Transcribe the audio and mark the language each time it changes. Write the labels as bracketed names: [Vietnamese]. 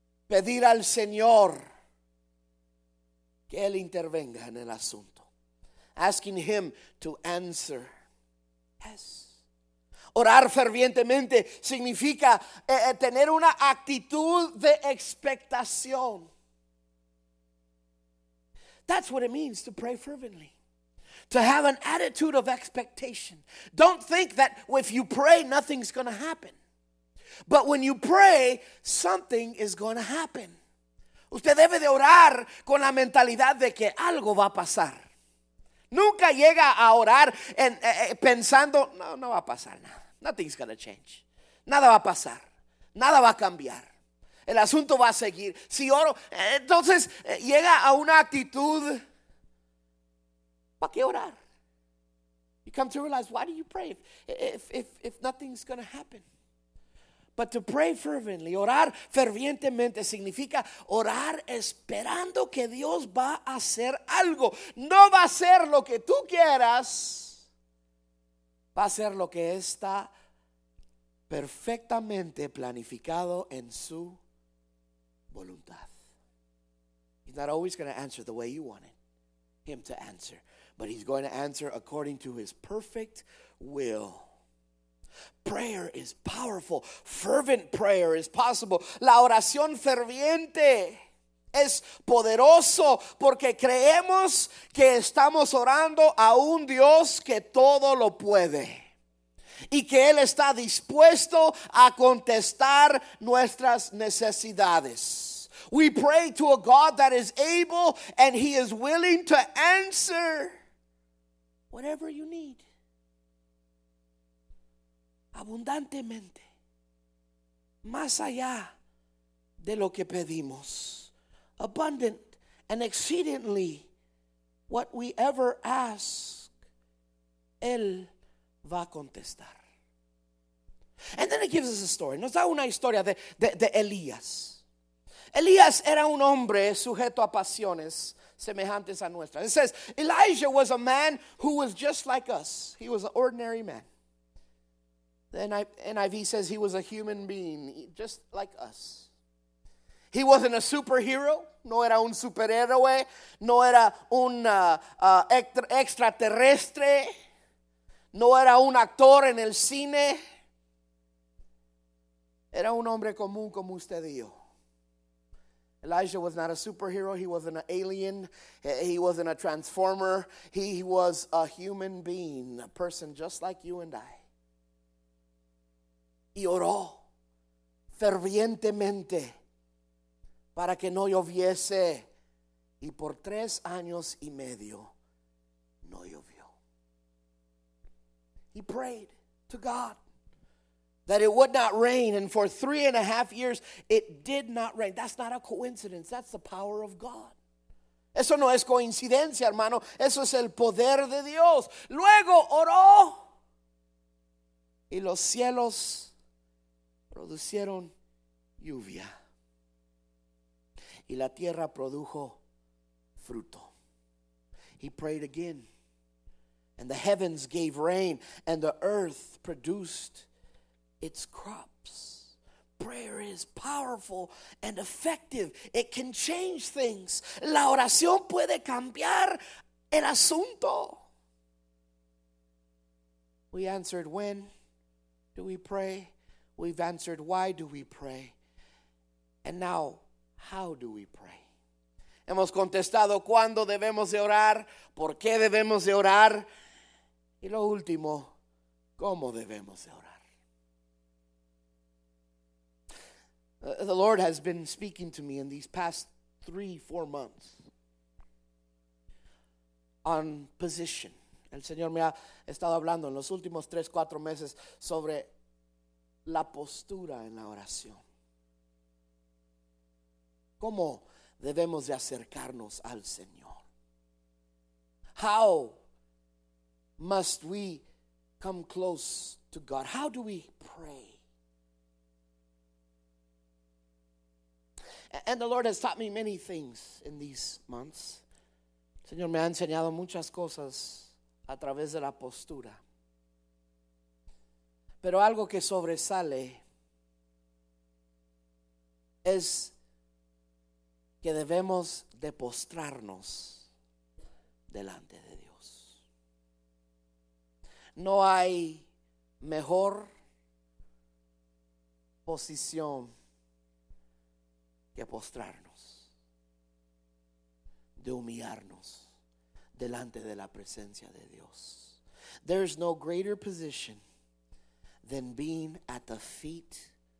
[Spanish] Pedir al Señor que Él intervenga en el asunto. [English] Asking Him to answer. Yes. [Spanish] Orar fervientemente significa tener una actitud de expectación. [English] That's what it means to pray fervently. To have an attitude of expectation. Don't think that if you pray, nothing's going to happen. But when you pray, something is going to happen. [Spanish] Usted debe de orar con la mentalidad de que algo va a pasar. Nunca llega a orar pensando, no va a pasar nada. [English] Nothing's going to change. [Spanish] Nada va a pasar. Nada va a cambiar. El asunto va a seguir. Si oro, entonces llega a una actitud, ¿para qué orar? [English] You come to realize, why do you pray if nothing's going to happen? But to pray fervently, [Spanish] orar fervientemente, significa orar esperando que Dios va a hacer algo. No va a ser lo que tú quieras, va a ser lo que está perfectamente planificado en su voluntad. [English] He's not always going to answer the way you wanted him to answer, but he's going to answer according to his perfect will. Prayer is powerful. Fervent prayer is possible. [Spanish] La oración ferviente es poderoso porque creemos que estamos orando a un Dios que todo lo puede y que Él está dispuesto a contestar nuestras necesidades. [English] We pray to a God that is able and He is willing to answer whatever you need. [Spanish] Abundantemente, más allá de lo que pedimos. [English] Abundant and exceedingly what we ever ask, [Spanish] Él va a contestar. [English] And then it gives us a story. [Spanish] Nos da una historia de Elías. Elías era un hombre sujeto a pasiones semejantes a nuestras. [English] It says, Elijah was a man who was just like us. He was an ordinary man. The NIV says he was a human being, just like us. He wasn't a superhero, [Spanish] no era un superhéroe, no era un extraterrestre, no era un actor en el cine. Era un hombre común como usted y yo. [English] Elijah was not a superhero, he wasn't an alien, he wasn't a transformer, he was a human being, a person just like you and I. [Spanish] Y oró fervientemente para que no lloviese. Y por 3 años y medio no llovió. [English] He prayed to God that it would not rain. And for 3.5 years it did not rain. That's not a coincidence. That's the power of God. [Spanish] Eso no es coincidencia, hermano. Eso es el poder de Dios. Luego oró y los cielos producieron lluvia y la tierra produjo fruto. [English] He prayed again and the heavens gave rain and the earth produced its crops. Prayer is powerful and effective. It can change things. [Spanish] La oración puede cambiar el asunto. [English] We answered, when do we pray? We've answered, why do we pray? And now, how do we pray? [Spanish] Hemos contestado, ¿cuándo debemos de orar? ¿Por qué debemos de orar? Y lo último, ¿cómo debemos de orar? [English] The Lord has been speaking to me in these past 3-4 months on position. [Spanish] El Señor me ha estado hablando en los últimos 3-4 meses sobre la postura en la oración. ¿Cómo debemos de acercarnos al Señor? [English] How must we come close to God? How do we pray? And the Lord has taught me many things in these months. [Spanish] El Señor me ha enseñado muchas cosas a través de la postura. Pero algo que sobresale es que debemos de postrarnos delante de Dios. No hay mejor posición que postrarnos, de humillarnos delante de la presencia de Dios. [English] There's no greater position than being at the feet